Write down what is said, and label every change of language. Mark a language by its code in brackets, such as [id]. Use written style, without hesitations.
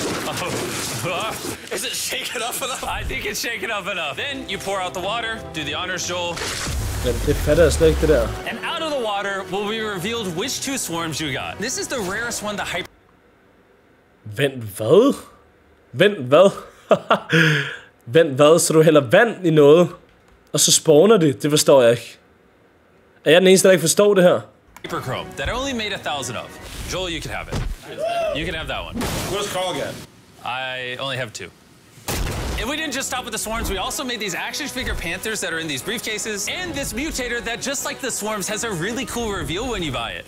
[en] Oh. Is it shaken up enough? I think it's shaken up enough. Then you pour out the water. Do the honors, Joel. [da] Det fatter jeg slet ikke, det der. [en] And out of the water will be revealed which two swarms you got. This is the rarest one, the hyper... [da] Vent hvad? Vent hvad, så du hælder vand i noget? Og så spawner det? Det forstår jeg ikke. Er jeg den eneste, der ikke forstår det her? [en] Hyperchrome that I only made 1,000 of. Joel, you can have it. You can have that one. What does Carl get? I only have two. And we didn't just stop with the swarms, we also made these action figure panthers that are in these briefcases, and this mutator that, just like the swarms, has a really cool reveal when you buy it.